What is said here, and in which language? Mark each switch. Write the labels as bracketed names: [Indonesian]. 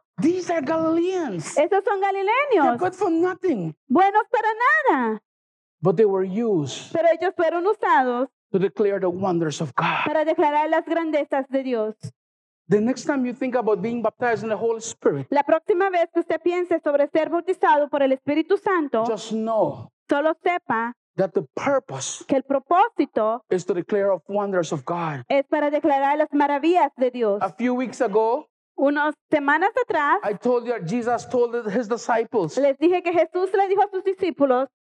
[English] These are Galileans. [Spanish] Esos son galileños. [English] They're good for nothing. [Spanish] Buenos para nada. [English] But they were used. [Spanish] Pero ellos fueron usados. [English] To declare the wonders of God. [Spanish] Para declarar las grandezas de Dios. [English] The next time you think about being baptized in the Holy Spirit. [Spanish] La próxima vez que usted piense sobre ser bautizado por el Espíritu Santo. [English] Just know. [Spanish] Solo sepa. [English] That the purpose. [Spanish] Que el propósito. [English] Is to declare of wonders of God. [Spanish] Es para declarar las maravillas de Dios. [English] A few weeks ago. [Spanish] Unas semanas atrás. [English] I told you that Jesus told his disciples. [Spanish] Les dije que Jesús le dijo a sus discípulos.